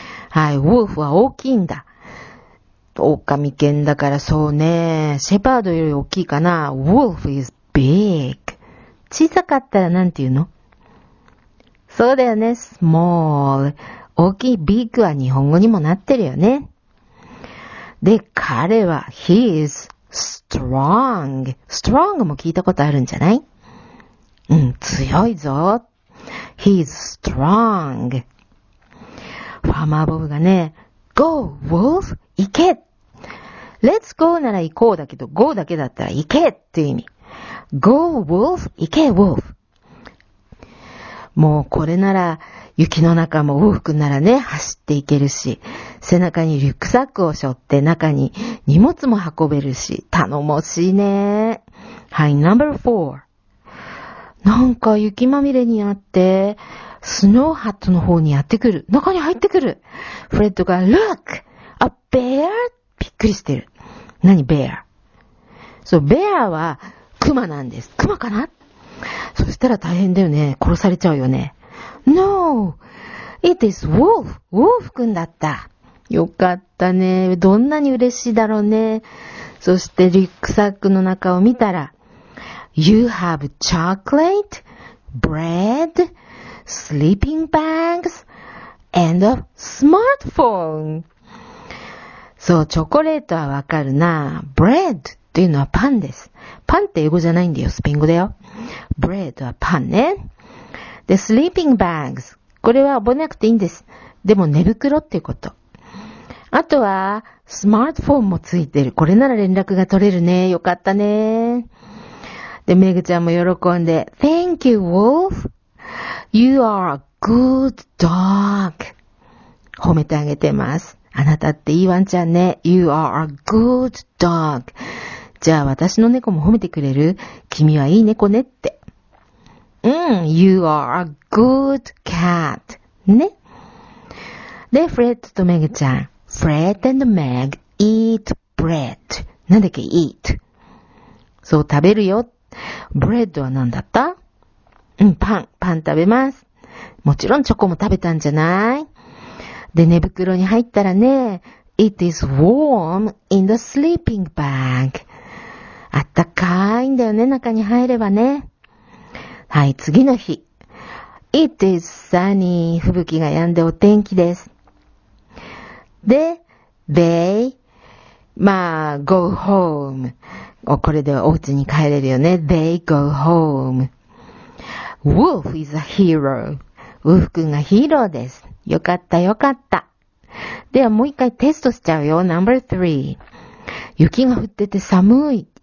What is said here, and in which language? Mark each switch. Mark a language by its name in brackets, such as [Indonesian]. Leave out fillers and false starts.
[Japanese] はい、ウォーフは大きいんだ。狼犬だからそうね、シェパードより大きいかな。 [English] Wolf is big. [Japanese] 小さかったらなんて言うの？そうだよね。small. 大きい big は日本語にもなってるよね。で、彼は [English] he is strong. [Japanese] strong も聞いたことあるんじゃない？うん、強いぞ。 [English] he is strong. [Japanese] ファーマーボブがね、 [English] go, wolf, [Japanese] 行け。 let's go なら行こうだけど、go だけだったら行けっていう意味。 [English] go, wolf, [Japanese] 行け、wolf. もうこれなら雪の中も往復ならね走っていけるし、背中にリュックサックを背負って中に荷物も運べるし、頼もしいね。はい、ナンバー4。なんか雪まみれにあってスノーハットの方にやってくる。中に入ってくる。フレッドが [English] Look! A bear? [Japanese] びっくりしてる。何 bear? そう、 bear はクマなんです。クマかな。そしたら大変だよね。殺されちゃうよね。 [English] No! It is wolf! [Japanese] ウォーフくんだった。よかったね。どんなに嬉しいだろうね。そしてリュックサックの中を見たら、 [English] You have chocolate, bread, sleeping bags, and a smartphone. [Japanese] そう、チョコレートはわかるな。bread っていうのはパンです。パンって英語じゃないんだよ。スペイン語だよ。bread はパンね。で、sleeping bags。これは覚えなくていいんです。でも寝袋っていうこと。あとは、スマートフォンもついてる。これなら連絡が取れるね。よかったね。で、メグちゃんも喜んで、 [English] Thank you, wolf. You are a good dog. [Japanese] 褒めてあげてます。あなたっていいワンちゃんね。 [English] You are a good dog. [Japanese] じゃあ私の猫も褒めてくれる？君はいい猫ねって。うん、 [English] You are a good cat. [Japanese] ね。 [English] で、フレッドとメグちゃん。Fred and Meg eat bread. [Japanese] なんだっけ、 [English] eat。 [Japanese] そう、食べるよっブレッドは何だった？うん、パン、パン食べます。もちろんチョコも食べたんじゃない？で、寝袋に入ったらね、 [English] It is warm in the sleeping bag. [Japanese] あったかいんだよね、中に入ればね。 [English] はい、次の日。It is sunny. [Japanese] 吹雪が止んでお天気です。 [English] で、they, まあ、go home. [Japanese] これではお家に帰れるよね。 [English] they go home. Wolf is a hero. [Japanese] ウフ君がヒーローです。よかった、よかった。ではもう一回テストしちゃうよ。 [English] Number three. [Japanese] 雪が降ってて寒い。